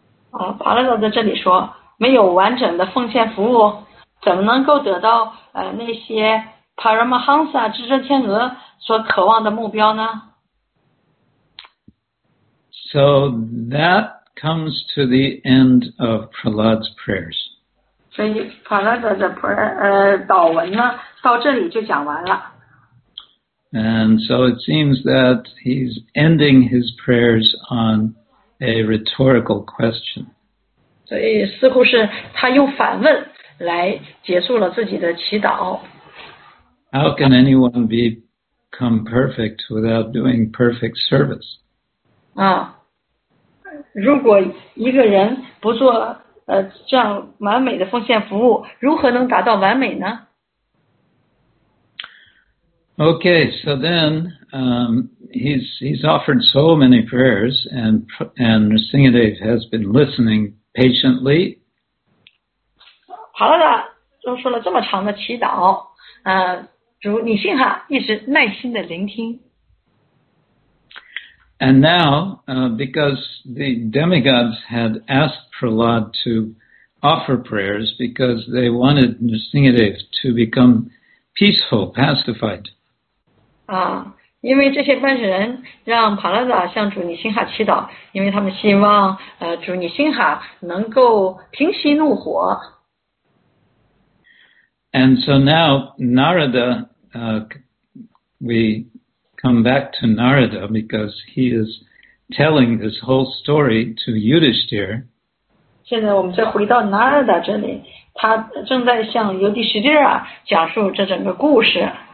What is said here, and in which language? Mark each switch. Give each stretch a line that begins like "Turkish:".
Chinese: 帕拉德在这里说，没有完整的奉献服务，怎么能够得到那些 Paramahansa 至尊天鹅所渴望的目标呢？
English: So that comes to the end of Prahlad's prayers.
Chinese: 所以帕拉德的祷文呢，到这里就讲完了。
English: And so it seems that he's ending his prayers on a rhetorical question.
Chinese: 所以似乎是他用反问来结束了自己的祈祷。
English: How can anyone become perfect without doing perfect service?
Chinese: 如果一个人不做这样完美的奉献服务，如何能达到完美呢？
English: Okay, so then, He's offered so many prayers, and Nrsingadeva has been listening patiently.
Chinese: 好了的，都说了这么长的祈祷，主你信哈一直耐心的聆听。
English: And now, because the demigods had asked Prahlad to offer prayers because they wanted Nrsingadev to become peaceful, pacified.
Chinese: 因为这些办事人让帕拉达向主尼辛哈祈祷，因为他们希望主尼辛哈能够平息怒火。
English: And so now Narada, we come back to Narada because he is telling this whole story to Yudhishthira.
Chinese: 现在我们再回到 Narada 这里，他正在向尤迪士帝啊讲述这整个故事。